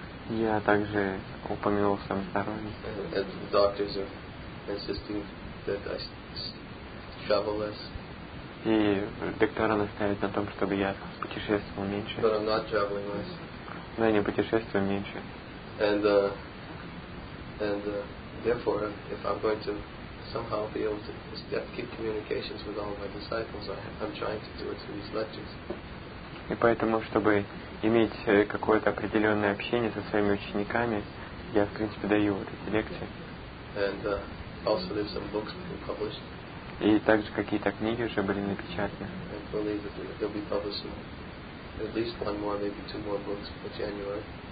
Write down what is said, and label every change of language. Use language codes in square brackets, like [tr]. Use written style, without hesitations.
[ru] Я также упомянул в своем здоровье. И доктора настаивают на том, чтобы я путешествовал меньше. [en] But I'm not traveling less. [ru] Но я не путешествую меньше. [en] Therefore, if I'm going to somehow be able to keep communications with all of my disciples, I'm trying to do it through these lectures. [ru] И поэтому, чтобы иметь какое-то определенное общение со своими учениками, я, в принципе, даю вот эти лекции. [en] And also there's some books being published. [ru] И также какие-то книги уже были напечатаны. [en] I believe that they'll be published at least one more, maybe two more books by January.